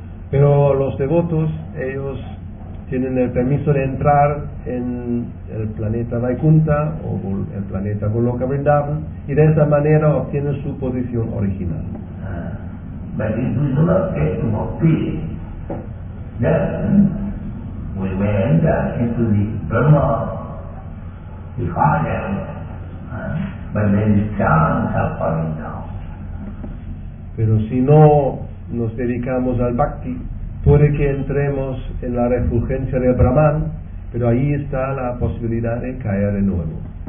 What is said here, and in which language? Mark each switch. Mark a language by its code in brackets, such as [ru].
[es] Pero los devotos, ellos tienen el permiso de entrar en el planeta Vaikunta o el planeta Goloka Vrindavan y de esa manera obtienen su posición original. [en] But if we do not get to Bhakti, then we may enter into the Brahma, the father, but then the chance of falling down. [es] Pero si no nos dedicamos al Bhakti, puede que entremos en la refulgencia del Brahman, pero ahí está la posibilidad de caer de nuevo.